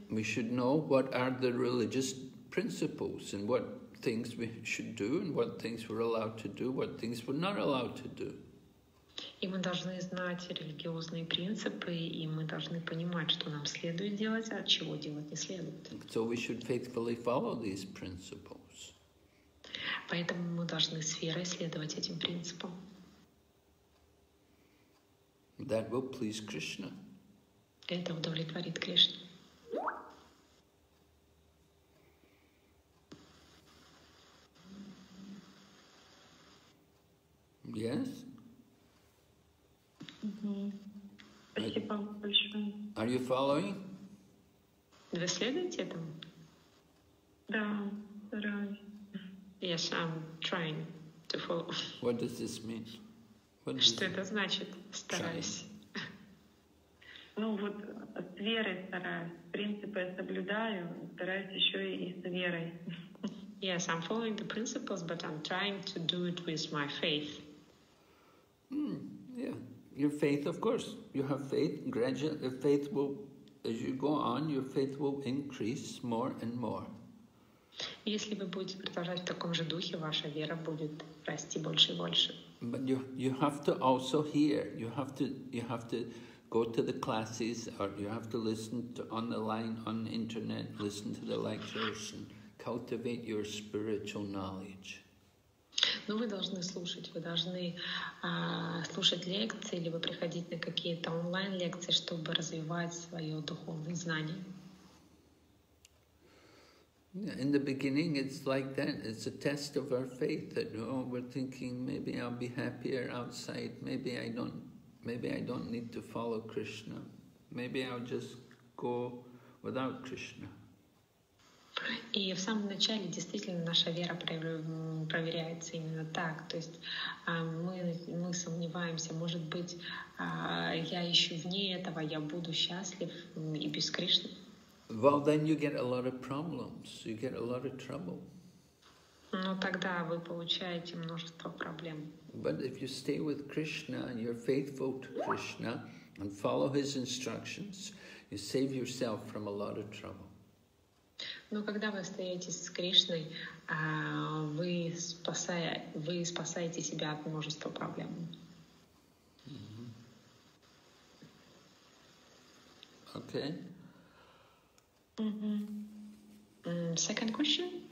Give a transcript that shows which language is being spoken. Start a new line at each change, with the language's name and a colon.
English: We should know what are the religious principles and what things we should do and what things we're allowed to do, what things we're not allowed to do.
Russian: И мы должны знать религиозные принципы, и мы должны понимать, что нам следует делать, а чего делать не следует.
English: So we should faithfully follow these principles.
Russian: Поэтому мы должны с верой следовать этим принципам.
English: That will please Krishna.
Russian: Это удовлетворит Кришну.
English: Yes?
Russian: Спасибо вам большое.
English: Are you following?
Russian: Вы следуете этому? Да, стараюсь.
English: Yes, I'm trying to follow. What does this mean? What does
Russian: что это значит? Стараюсь. Ну вот с верой стараюсь. Принципы соблюдаю, стараюсь еще и с верой.
English: Yes, I'm following the principles, but I'm trying to do it with my faith. Yeah, your faith, of course. You have faith. Gradually, faith will, as you go on, your faith will increase more and more.
Russian: Если вы будете продолжать в таком же духе, ваша вера будет расти больше и больше.
English: But you have to also hear. You have to go to the classes, or you have to listen to on the line, on the internet, listen to the lectures and cultivate your spiritual knowledge.
Russian: Но вы должны слушать. Вы должны слушать лекции, либо приходить на какие-то онлайн-лекции, чтобы развивать свое духовное знание.
English: In the beginning, it's like that. It's a test of our faith that, we're thinking, maybe I'll be happier outside. Maybe I don't need to follow Krishna. Maybe I'll just go without Krishna.
Russian: И в самом начале действительно наша вера проверяется именно так. То есть мы сомневаемся, может быть, я еще вне этого, я буду счастлив и без Кришны.
English: Well, then you get a lot of problems, you get a lot of trouble.
Russian: Но тогда вы получаете множество проблем.
English: But if you stay with Krishna and you're faithful to Krishna and follow his instructions, you save yourself from a lot of trouble.
Russian: Но когда вы остаетесь с Кришной, вы спасаете себя от множества проблем.
English: Okay. Mm-hmm. Second question?